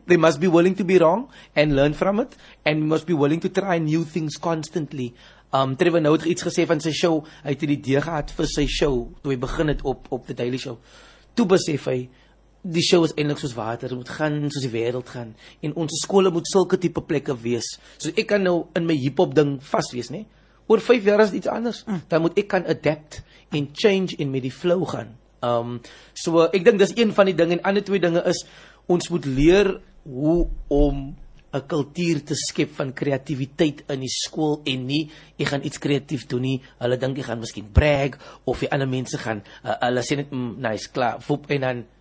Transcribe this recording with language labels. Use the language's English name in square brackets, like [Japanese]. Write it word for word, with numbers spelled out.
[English] They must be willing to be wrong and learn from it, and we must be willing to try new things constantly. [Afrikaans] Um, Trevor nou het iets gesê van sy show, hy het die idee gehad vir sy show, toe hy begin het op, op The Daily Show. Toe besef hy, die show is eindelijk soos water, moet gaan soos die wereld gaan, en onze skole moet sulke type plekke wees. So ek kan nou in my hiphop ding vast wees, nee? Oor vijf jaar is dit iets anders, dan moet ek kan adapt en change en met die flow gaan. Um, so ek dink dis een van die dinge, en ander twee dinge is, ons moet leer hoe om 'n kultuur te skep van kreatiwiteit in die skool en nie, jy gaan iets kreatief doen nie, hulle dink jy gaan miskien brag, of die ander mense gaan, uh, hulle sê net, mm, nice, klaar, voep, en dan